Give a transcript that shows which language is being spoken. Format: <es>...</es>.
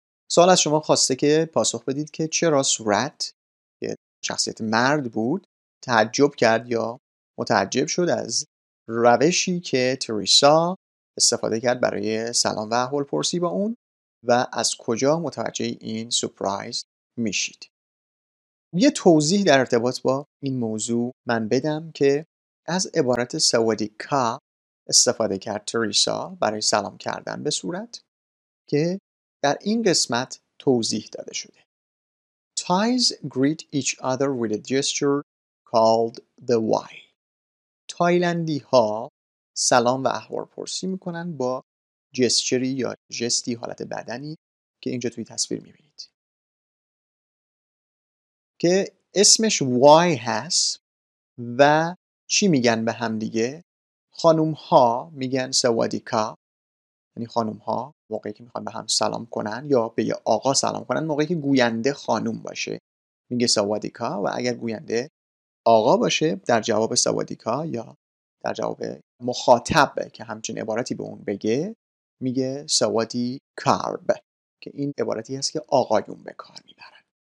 <fa>سوال از شما خواسته که پاسخ بدید که چرا سورت، یه شخصیت مرد بود، تعجب کرد یا متعجب شد از روشی که تریسا استفاده کرد برای سلام و احوالپرسی با اون و از کجا متوجه این سورپرایز میشید. یه توضیح در ارتباط با این موضوع من بدم که از عبارت سوادیکا استفاده کرد تریسا برای سلام کردن به صورت که در این قسمت توضیح داده شده.</fa> <en>Thais greet each other with a gesture called the why.</en> <fa>تایلندی ها سلام و احوالپرسی میکنن با جستچری یا جستی، حالت بدنی که اینجا توی تصویر میبینید که اسمش why هست و چی میگن به هم دیگه؟ خانوم ها میگن سوادیکا، یعنی خانوم ها موقعی که میخوان به هم سلام کنن یا به یه آقا سلام کنن، موقعی که گوینده خانوم باشه میگه سوادیکا، و اگر گوینده آقا باشه در جواب سوادیکا یا در جواب مخاطب که همچین عبارتی به اون بگه میگه سوادی کارب، که این عبارتی هست که آقایون به کار میبرن.</fa>